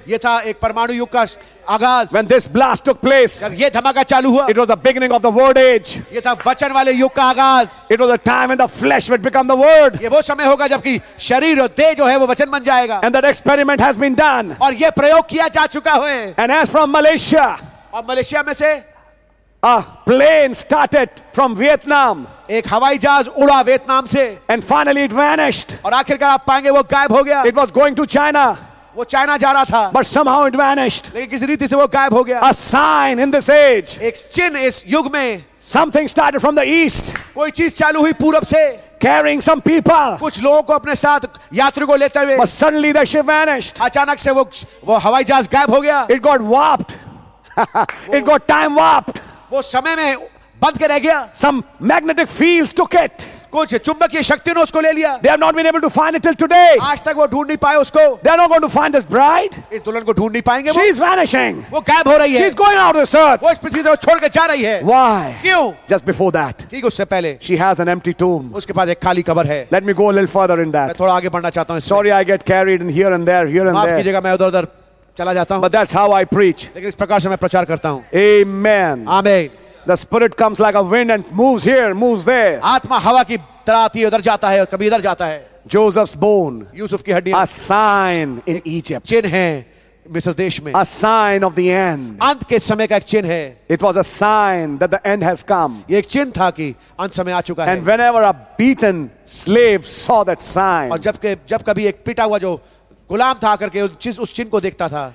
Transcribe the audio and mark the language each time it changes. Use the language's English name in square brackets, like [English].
[Hindi] ये था एक परमाणु युग का आगाज. [English] When this blast took place. [Hindi] जब ये धमाका चालू हुआ. [English] It was the beginning of the word age. [Hindi] ये था वचन वाले युग का आगाज. [English] It was the time when the flesh would become the word. [Hindi] ये वो समय होगा जबकि शरीर और देह जो है वो वचन बन जाएगा. [English] And that experiment has been done. [Hindi] और ये प्रयोग किया जा चुका है. [English] And as from Malaysia. [Hindi] और मलेशिया में से. [English] A plane started from Vietnam. [Hindi] एक हवाई जहाज उड़ा वियतनाम से. [English] And finally it vanished. [Hindi] और आखिरकार आप पाएंगे वो गायब हो गया. [English] It was going to China. [Hindi] वो चाइना जा रहा था. [English] But somehow it vanished. [Hindi] लेकिन किसी रीति से वो गायब हो गया. [English] A sign in this age. [Hindi] एक चिन्ह इस युग में. [English] Something started from the east. [Hindi] कोई चीज चालू हुई पूरब से. [English] Carrying some people. [Hindi] कुछ लोगों को अपने साथ यात्रियों को लेते हुए. [English] But suddenly the ship vanished. [Hindi] अचानक से वो हवाई जहाज गायब हो गया. [English] It got warped. It got time warped. [Hindi] वो समय में बंद के रह गया. [English] Some magnetic fields took it. [Hindi] कुछ चुंबकीय शक्तियों ने उसको ले लिया. [English] They have not been able to find it till today. [Hindi] आज तक वो ढूंढ नहीं पाए उसको. [English] They are not going to find this bride. [Hindi] इस दुल्हन को ढूंढ नहीं पाएंगे. [English] She is vanishing. [Hindi] वो गायब हो रही है. [English] She is going out of this earth. [Hindi] वो इस पृथ्वी से छोड़ के जा रही है. [English] Why? [Hindi] क्यों? [English] Just before that. [Hindi] ठीक उससे पहले. [English] She has an empty tomb. [Hindi] उसके पास एक खाली कब्र है. [English] Let me go a little further in that. [Hindi] मैं थोड़ा आगे बढ़ना चाहता हूँ. [English] Sorry, I get carried in here and there, here and there. [Hindi] माफ कीजिएगा मैं उधर उधर चला जाता हूँ. [English] But that's how I preach. [Hindi] लेकिन इस प्रकार से मैं प्रचार करता हूँ. [English] Amen. Amen. The spirit comes like a wind and moves here, moves there. [Hindi] आत्मा हवा की तरह आती है, उधर जाता है और कभी इधर जाता है. [English] Joseph's bone. [Hindi] यूसुफ की हड्डी. [English] A sign in Egypt. [Hindi] चिन्ह है मिस्र देश में. [English] A sign of the end. [Hindi] अंत के समय का एक चिन्ह है. [English] It was a sign that the end has come. [Hindi] ये एक चिन्ह था कि अंत समय आ चुका है. [English] And whenever a beaten slave saw that sign. [Hindi] और जब कभी एक पीटा हुआ जो गुलाम था करके उस चिन्ह को देखता था.